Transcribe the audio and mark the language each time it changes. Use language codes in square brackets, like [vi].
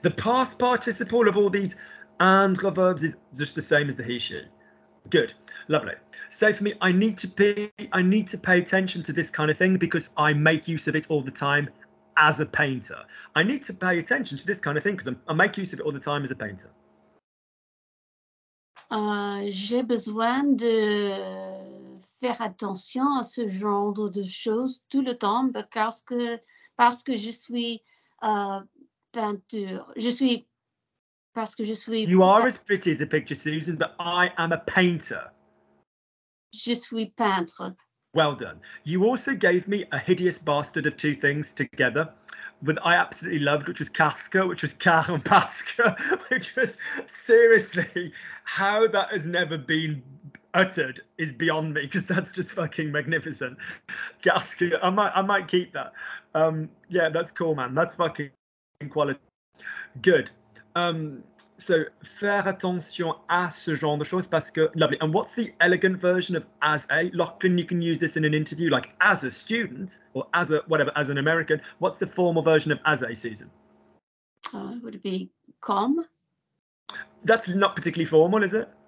[en] The past participle of all these andre verbs is just the same as the he/she. Good. Lovely. Say for me, I need to pay attention to this kind of thing because I make use of it all the time as a painter. I need to pay attention to this kind of thing because I make use of it all the time as a painter. [fr] J'ai besoin de faire attention à ce genre de choses tout le temps parce que je suis peinture. [en] You are as pretty as a picture, Susan, but I am a painter. [fr] Je suis peintre. [en] Well done. You also gave me a hideous bastard of two things together that I absolutely loved, which was casque, which was car and pasque, which was seriously how that has never been uttered is beyond me because that's just fucking magnificent. Casque, I might keep that. Yeah, that's cool, man. That's fucking quality. Good. [fr] So, faire attention à ce genre de choses parce que, lovely. [en] And what's the elegant version of as a? Lachlan, you can use this in an interview, like as a student or as a, whatever, as an American. What's the formal version of as a, Susan? Would it be comme? That's not particularly formal, is it?